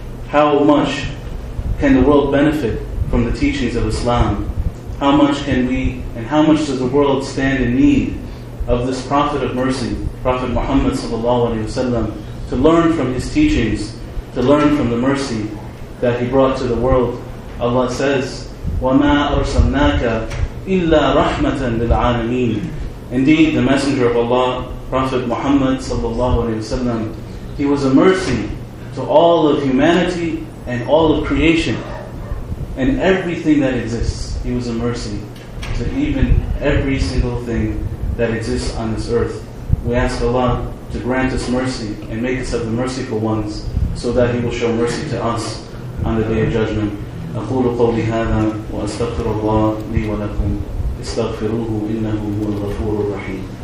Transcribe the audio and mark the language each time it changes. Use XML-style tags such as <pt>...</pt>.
<en>How much can the world benefit from the teachings of Islam? How much can we, and how much does the world stand in need of this Prophet of Mercy, Prophet Muhammad sallallahu alaihi wasallam, to learn from his teachings, to learn from the mercy that he brought to the world? Allah says,</en> <ar>وَمَا أَرْسَلْنَاكَ إِلَّا رَحْمَةً لِلْعَالَمِينَ.</ar> <en>Indeed, the Messenger of Allah, Prophet Muhammad sallallahu alaihi wasallam, he was a mercy to all of humanity and all of creation and everything that exists. He was a mercy to even every single thing that exists on this earth. We ask Allah to grant us mercy and make us of the merciful ones, so that He will show mercy to us on the Day of Judgment.</en> <ar>أقول قولي هذا وأستغفر الله لي ولكم استغفروه إنه هو الغفور الرحيم.</ar>